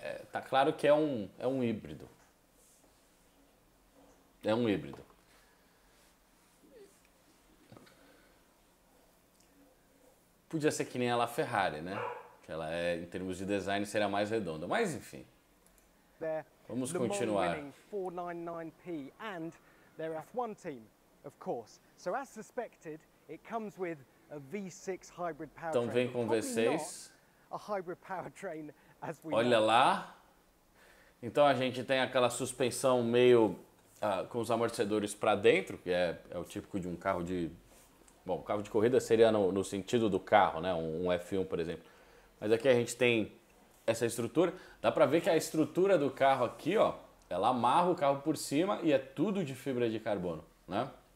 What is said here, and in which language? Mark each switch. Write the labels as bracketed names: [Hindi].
[Portuguese] Tá claro que é um híbrido. É um híbrido. Podia ser que nem a Ferrari, né? Que ela é, em termos de design, seria mais redonda. Mas enfim. Vamos continuar. [English] Le Mans winning 499P and their F1 team, of course. So as suspected, it comes with a V6 hybrid powertrain. [Portuguese] Então vem com V6. [English] A hybrid powertrain as we [Portuguese] olha lá. Então a gente tem aquela suspensão meio com os amortecedores para dentro, que é o típico de um carro de... Bom, carro de corrida seria no sentido do carro, né? Um F1, por exemplo. Mas aqui a gente tem essa estrutura. Dá para ver que a estrutura do carro aqui, ó, ela amarra o carro por cima e é tudo de fibra de carbono, né?